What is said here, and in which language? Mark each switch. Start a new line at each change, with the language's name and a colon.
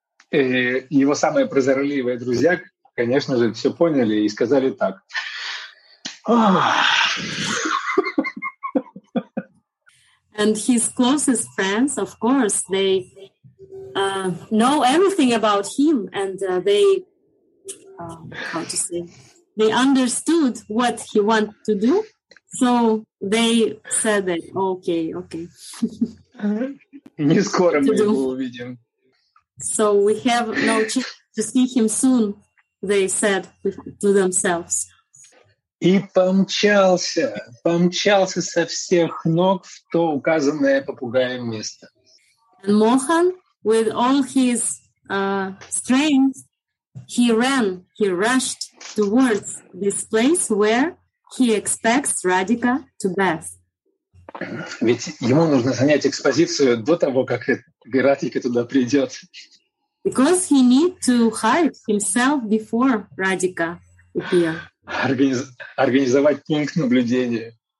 Russian: Его самые прозорливые друзья, конечно же, все поняли и сказали так.
English: And his closest friends, of course, they know everything about him, and they, how to say, they understood what he wanted to do. So they said that, okay, okay.
Russian: Не скоро мы его увидим.
English: So we have no chance to see him soon, they said to themselves.
Russian: И помчался, помчался со всех ног в то указанное попугаем место.
English: And Mohan, with all his strength, he ran, he rushed towards this place where he expects Radhika to bath.
Russian: Ведь ему нужно занять экспозицию до того, как Радхика туда придет.
English: Because he need to hide himself before Radhika appear.
Russian: Организовать пункт наблюдения.